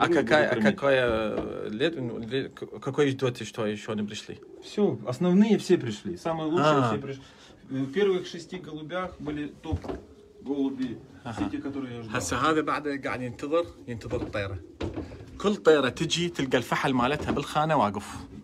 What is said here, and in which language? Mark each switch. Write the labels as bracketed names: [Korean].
[Russian] أكاكاي ليد كاكاي جدوتي شو هاي شو نبرشلي؟ все основные все пришли самые лучшие все пришли в первых шести голубях были топ голуби все те которые я ждал. [Arabic] هسه هذا بعد قاعد ينتظر الطيارة كل طيارة تجي تلقى الفحل مالتها بالخانة واقف.